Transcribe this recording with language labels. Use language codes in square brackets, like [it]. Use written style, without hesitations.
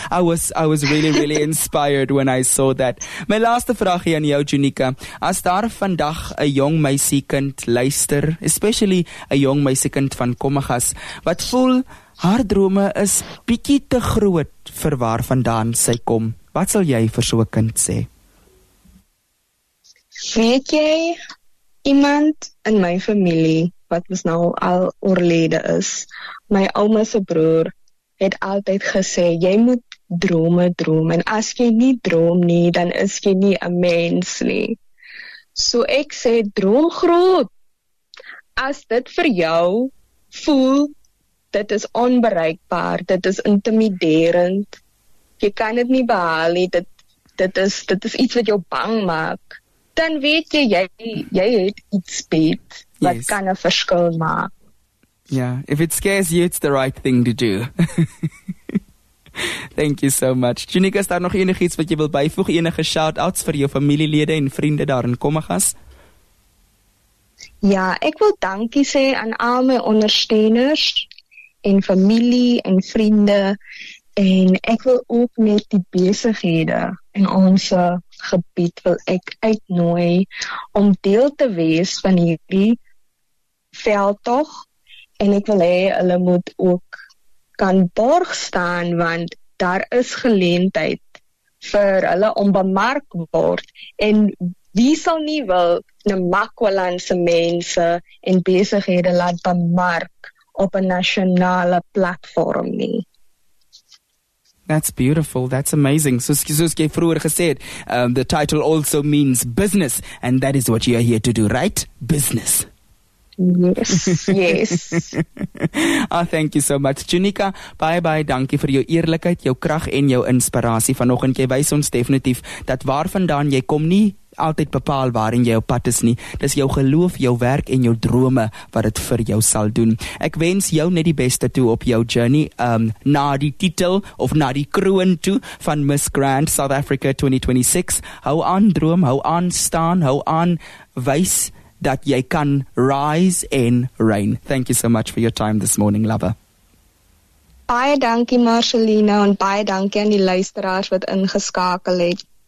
[en] I was really, really inspired when I saw that. [af] My laaste vraagie aan jou, Junika. As daar vandag 'n jong meisiekind luister, especially 'n jong meisiekind van Kommagas, wat voel haar drome is bietjie te groot vir waar vandaan sy kom, wat sal jy vir so 'n kind sê? Weet jy, iemand in my familie, wat ons nou al oorlede is, my ouma se broer, het altyd gesê, jy moet drome droom, en as jy nie droom nie, dan is jy nie 'n mens nie. So ek sê, droom groot. As dit vir jou voel dit is onbereikbaar, dit is intimiderend, jy kan dit nie behaal nie, dit is iets wat jou bang maak, dan weet jy, jy het iets bet, wat yes. kan een verskil maak. [en] Yeah, if it scares you, it's the right thing to do. Thank you so much. [af] Junika, is daar nog enig iets wat jy wil bijvoeg? Enige shout-outs vir jou familielede en vriende daar in Kommagas? Ja, ek wil dankie sê aan al my ondersteuners en familie en vriende. En ek wil ook met die besighede in ons gebied wil ek uitnooi om deel te wees van hierdie veldtog. En ek wil hê, hulle moet ook kan borg staan, want daar is geleentheid vir hulle om bemark word. En wie sal nie wil na Makwalandse mense en besighede laat bemark op 'n nasionale platform nie? [en] That's beautiful. That's amazing. So, [af] soos jy vroeger gesê het, [en] the title also means business, and that is what you are here to do, right? Business. Yes. Oh, thank you so much. Junika, bye bye. [af] Dankie vir jou eerlikheid, jou krag en jou inspirasie. Vanoggend jy wys ons definitief dat waar vandaan jy kom nie altyd bepaal waar in jy op pad is nie. Dis jou geloof, jou werk en jou drome wat het vir jou sal doen. Ek wens jou net die beste toe op jou journey na die titel of na die kroon toe van Miss Grand South Africa 2026. Hou aan droom, hou aan staan, hou aan wys [en] that you can rise in rain. Thank you so much for your time this morning, lover. [af] Baie dankie, Marcelina, en baie dankie aan die luisteraars wat ingeskakel het.